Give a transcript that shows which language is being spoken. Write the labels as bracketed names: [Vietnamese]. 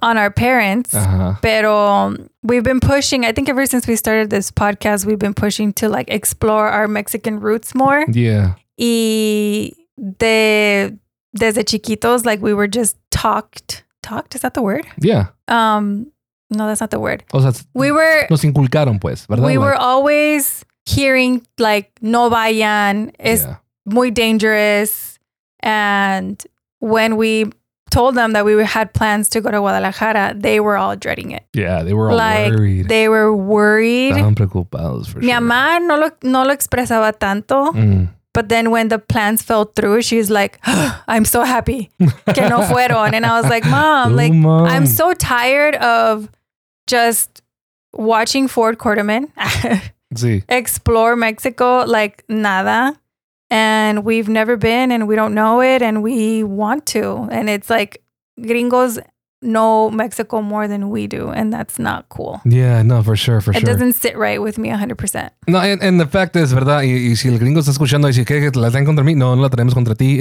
[English] On our parents. Uh-huh. Pero we've been pushing, I think ever since we started this podcast, we've been pushing to like explore our Mexican roots more. Yeah. Y desde chiquitos, like we were just talked, is that the word? Yeah. No, that's not the word. [Spanish] O sea, nos inculcaron pues, ¿verdad? [English] We were always hearing like, [Spanish] no vayan, es muy [English] dangerous. And when we told them that we had plans to go to Guadalajara, they were all dreading it. Yeah, they were all like, worried. They were worried. [Spanish] Estaban preocupados [English] for sure. [Spanish] Mi mamá no lo expresaba tanto. [English] But then when the plans fell through, she's like, oh, I'm so happy. [Spanish] Que no fueron. [English] And I was like, Mom, I'm so tired of just watching Ford Quarterman explore Mexico like nada. And we've never been and we don't know it and we want to. And it's like gringos know Mexico more than we do. And that's not cool. Yeah, no, for sure. It doesn't sit right with me 100%. No, and the fact is, [Spanish] ¿verdad? Y si el gringo está escuchando y dice, ¿qué? ¿La traen contra mí? No, no la traemos contra ti.